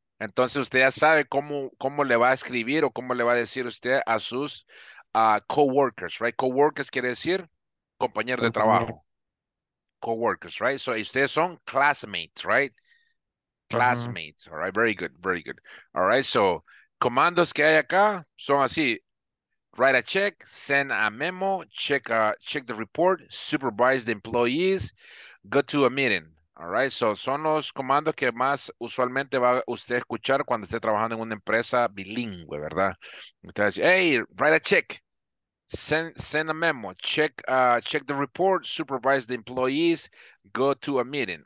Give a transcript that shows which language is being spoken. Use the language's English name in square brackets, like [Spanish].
[Spanish] Entonces, usted ya sabe cómo le va a escribir o cómo le va a decir usted a sus co-workers, right? Co-workers quiere decir compañero de trabajo. Co-workers, right? [English] So, [Spanish] ustedes son [English] classmates, right? Classmates, uh-huh. All right? Very good, very good. [Spanish] All right, so, comandos que hay acá son así. [English] Write a check, send a memo, check the report, supervise the employees, go to a meeting. [Spanish] All right, so son los comandos que más usualmente va usted a escuchar cuando esté trabajando en una empresa bilingüe, ¿verdad? Usted dice, [English] hey, write a check, send a memo, check the report, supervise the employees, go to a meeting.